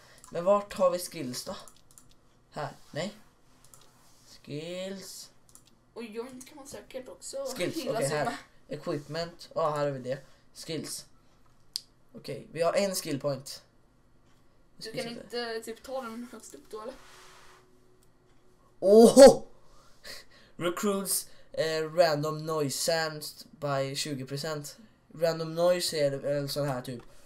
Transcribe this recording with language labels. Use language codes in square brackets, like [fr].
[sv] Men vart har vi skills då? Här, nej. Skills. Och joint kan man säkert också. Skills, okej, okay, här. Equipment. Ja, här har vi det. Skills. Okej, okay, vi har en skill point. Du kan inte typ ta den högst upp då, eller? Oho! [en] Recruits random noise sensed by 20%. [sv] Random noise är väl sån här typ.